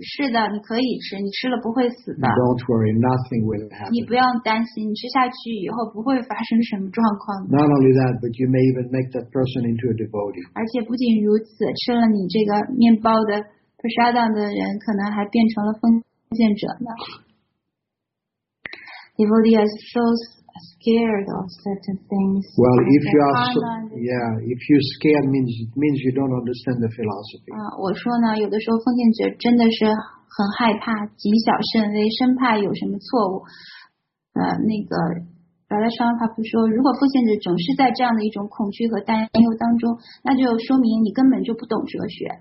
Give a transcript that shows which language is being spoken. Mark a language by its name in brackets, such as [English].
[Chinese] 是的，你可以吃，你吃了不会死的。 [English] Don't worry, nothing will happen. [Chinese] 你不用担心，吃下去以后不会发生什么状况。 [English] Not only that, but you may even make that person into a devotee. [Chinese] 而且不仅如此，吃了你这个面包的 prasadam 的人可能还变成了奉献者呢。 [English] Devotee is so scared of certain things. Well, if you are, if you scared means you don't understand the philosophy. [Chinese] 我说呢，有的时候奉献者真的是很害怕，谨小慎微，生怕有什么错误。那个白拉沙帕夫说，如果奉献者总是在这样的一种恐惧和担忧当中，那就说明你根本就不懂哲学。